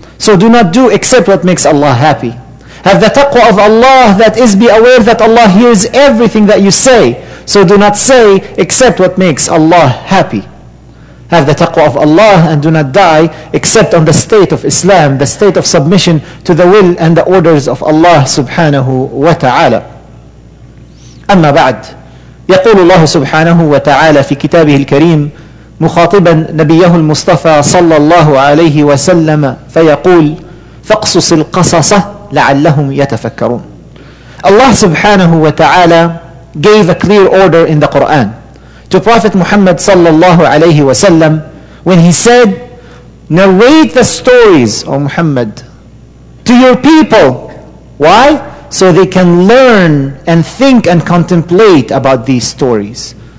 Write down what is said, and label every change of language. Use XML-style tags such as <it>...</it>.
<en>So do not do except what makes Allah happy. Have the taqwa of Allah, that is, be aware that Allah hears everything that you say. So do not say except what makes Allah happy. Have the taqwa of Allah and do not die except on the state of Islam, the state of submission to the will and the orders of Allah subhanahu wa ta'ala.</en> <ar>أما بعد يقول الله سبحانه وتعالى في كتابه الكريم مخاطبا نبيه المصطفى صلى الله عليه وسلم فيقول فاقصص القصص لعلهم يتفكرون.</ar> <en>Allah subhanahu wa ta'ala gave a clear order in the Quran to Prophet Muhammad sallallahu alayhi wa sallam when he said, narrate the stories, O Muhammad, to your people. Why? So they can learn and think and contemplate about these stories.</en>